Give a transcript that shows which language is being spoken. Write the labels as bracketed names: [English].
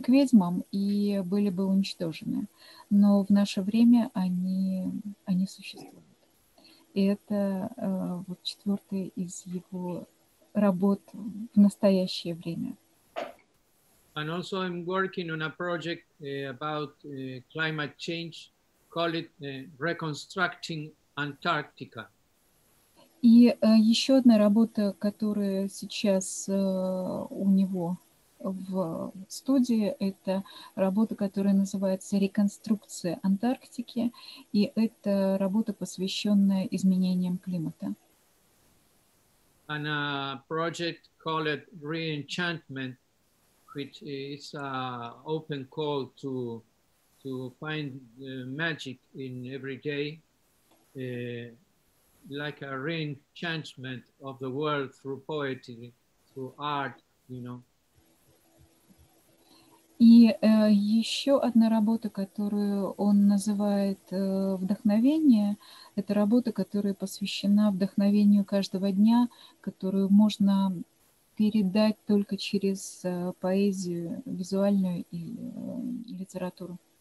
[Russian] к ведьмам и были бы уничтожены. Но в наше время они существуют. И это вот четвертая из его работ в настоящее время. [English] And also I'm working on a project about climate change, call it reconstructing Antarctica. [Russian] И еще одна работа, которая сейчас у него в студии, это работа, которая называется «Реконструкция Антарктики», и это работа, посвященная изменениям климата. [English] And a project called «Reenchantment», which is a open call to find magic in every day, like a reenchantment of the world through poetry, through art, you know. [Russian] И еще одна работа, которую он называет «Вдохновение», это работа, которая посвящена вдохновению каждого дня, которую можно передать только через поэзию, визуальную и литературу.